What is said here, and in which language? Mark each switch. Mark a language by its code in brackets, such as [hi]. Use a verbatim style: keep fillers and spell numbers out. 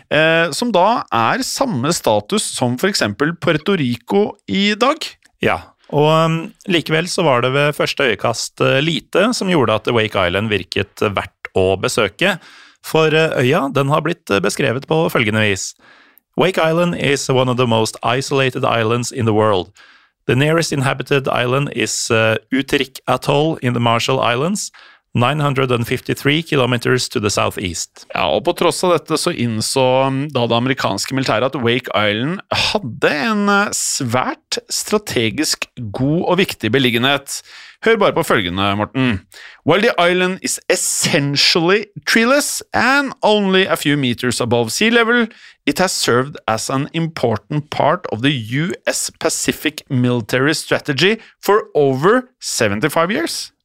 [no] eh, som da er samme status som for eksempel Puerto Rico i dag. Ja, og um, likevel så var det ved første øyekast uh, lite som gjorde at Wake Island virket verdt å besøke, for uh, øya den har blitt uh, beskrevet på følgende vis. [en] Wake Island is one of the most isolated islands in the world. The nearest inhabited island is uh, Utrik Atoll in the Marshall Islands, nine hundred fifty-three kilometers to the southeast. [no] Ja, og på tross av dette så innså da det amerikanske militæret at Wake Island hadde en svært strategisk god og viktig beliggenhet. Hør bare på følgende, [en] Morten. While the island is essentially treeless and only a few meters above sea level, it has served as an important part of the U S Pacific military strategy for over seventy-five years.